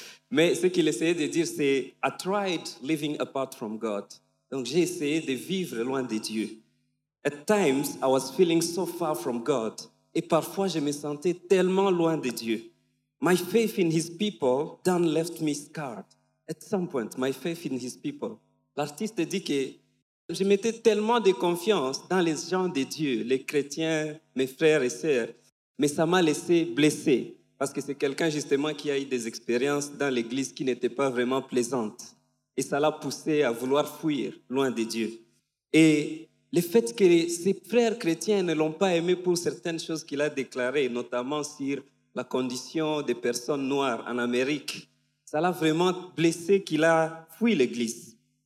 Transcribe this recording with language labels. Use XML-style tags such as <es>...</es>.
<fr>Mais ce qu'il essayait de dire, c'est «</fr> <en>I tried living apart from God ».</en> <fr>Donc, j'ai essayé de vivre loin de Dieu.</fr> <en>At times, I was feeling so far from God.</en> <fr>Et parfois, je me sentais tellement loin de Dieu.</fr> <en>My faith in his people then left me scarred. At some point, my faith in his people.</en> <fr>L'artiste dit que je mettais tellement de confiance dans les gens de Dieu, les chrétiens, mes frères et sœurs, mais ça m'a laissé blessé. Parce que c'est quelqu'un, justement, qui a eu des expériences dans l'église qui n'étaient pas vraiment plaisantes. Et ça l'a poussé à vouloir fuir loin de Dieu. Et le fait que ses frères chrétiens ne l'ont pas aimé pour certaines choses qu'il a déclarées, notamment sur la condition des personnes noires en Amérique, ça l'a vraiment blessé qu'il a fui l'Église.</fr>